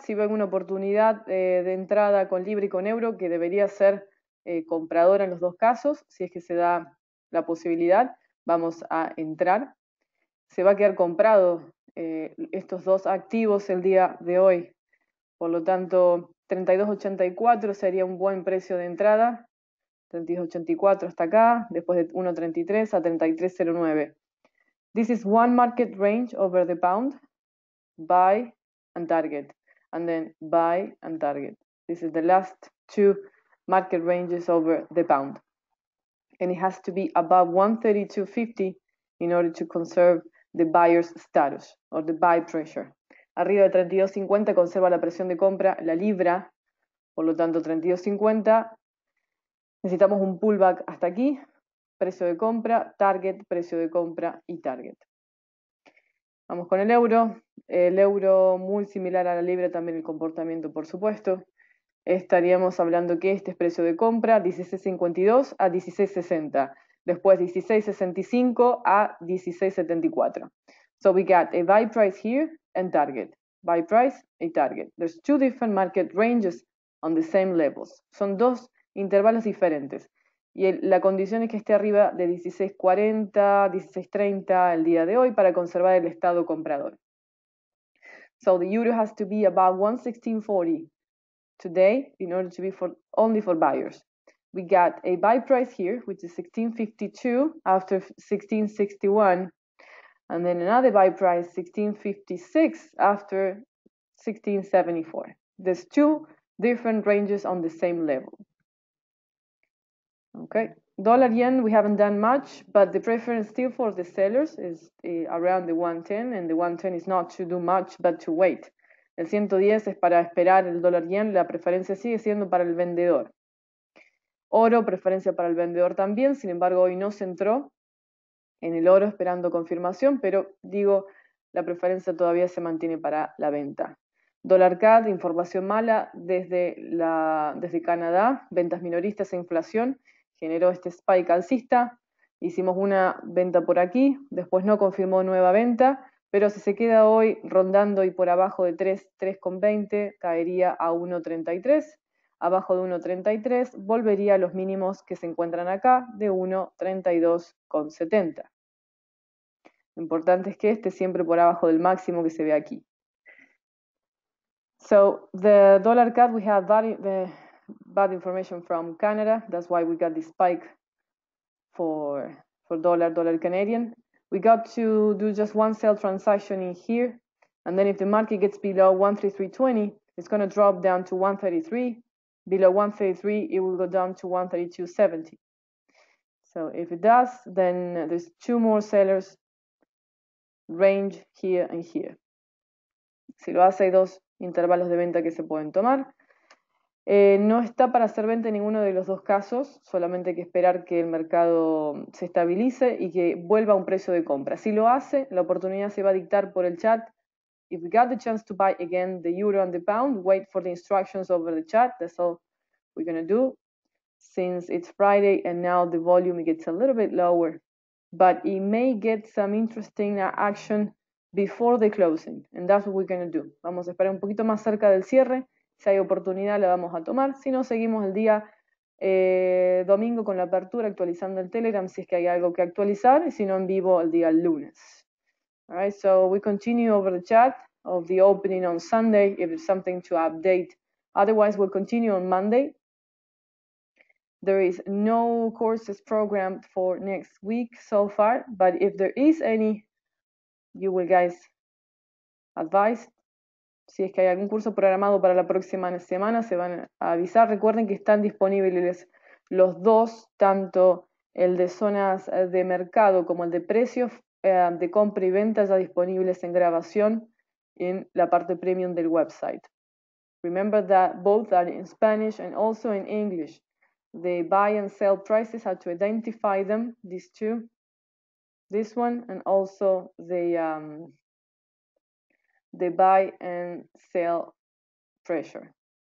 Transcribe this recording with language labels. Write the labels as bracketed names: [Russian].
[Spanish] Si ven una oportunidad de entrada con libre y con euro, que debería ser compradora en los dos casos, si es que se da la posibilidad, vamos a entrar. Se va a quedar comprado estos dos activos el día de hoy. Por lo tanto, 32.84 sería un buen precio de entrada. 32.84 hasta acá, después de 1.33 a 33.09. [English] This is one market range over the pound. Buy and target. And then buy and target. This is the last two market ranges over the pound. And it has to be above 132.50 in order to conserve the buyer's status or the buy pressure. [Spanish] Arriba de 32.50 conserva la presión de compra, la libra. Por lo tanto, 32.50. Necesitamos un pullback hasta aquí. Precio de compra, target, precio de compra y target. Vamos con el euro. El euro muy similar a la libra también el comportamiento, por supuesto. Estaríamos hablando que este es precio de compra, 16.52 a 16.60. Después 16.65 a 16.74. [English] So we got a buy price here and target. Buy price and target. There's two different market ranges on the same levels. [Spanish] Son dos intervalos diferentes. Y la condición es que esté arriba de 16.40, 16.30 el día de hoy para conservar el estado comprador. [English] So the euro has to be above 116.40 today in order to be for only for buyers. We got a buy price here, which is 16.52 after 16.61. And then another buy price, 16.56 after 16.74. There's two different ranges on the same level. Okay. Dollar yen, we haven't done much, but the preference still for the sellers is around the 110, and the 110 is not to do much, but to wait. [Spanish] El 110 es para esperar el dólar yen, la preferencia sigue siendo para el vendedor. Oro, preferencia para el vendedor también, sin embargo, hoy no se entró en el oro esperando confirmación, pero digo, la preferencia todavía se mantiene para la venta. Dólar CAD, información mala desde Canadá, ventas minoristas e inflación, generó este spike alcista, hicimos una venta por aquí, después no confirmó nueva venta, pero si se queda hoy rondando y por abajo de 3, 3,20, caería a 1,33. Abajo de 1,33, volvería a los mínimos que se encuentran acá de 1,32,70. Lo importante es que esté siempre por abajo del máximo que se ve aquí. [English] So, the dollar CAD, we have bad information from Canada. That's why we got this spike for dollar Canadian. We got to do just one sell transaction in here. And then, if the market gets below 1,33,20, it's going to drop down to 1,33. Below 1.33, it will go down to 1.3270. So if it does, then there's two more sellers range here and here. [Spanish] Si lo hace, hay dos intervalos de venta que se pueden tomar. No está para hacer venta en ninguno de los dos casos, solamente hay que esperar que el mercado se estabilice y que vuelva a un precio de compra. Si lo hace, la oportunidad se va a dictar por el chat. [English] If we got the chance to buy again the euro and the pound, wait for the instructions over the chat. That's all we're going to do since it's Friday and now the volume gets a little bit lower. But it may get some interesting action before the closing. And that's what we're going to do. [Spanish] Vamos a esperar un poquito más cerca del cierre. Si hay oportunidad, la vamos a tomar. Si no, seguimos el día domingo con la apertura, actualizando el Telegram si es que hay algo que actualizar. Y si no, en vivo el día lunes. [English] All right, so we continue over the chat of the opening on Sunday if there's something to update. Otherwise, we'll continue on Monday. There is no courses programmed for next week so far, but if there is any, you will guys advise. [Spanish] Si es que hay algún curso programado para la próxima semana, se van a avisar. Recuerden que están disponibles los dos, tanto el de zonas de mercado como el de precios de compra y venta ya disponibles en grabación en la parte premium del website. [English] Remember that both are in Spanish and also in English. The buy and sell prices, how to identify them, these two, this one, and also the buy and sell pressure.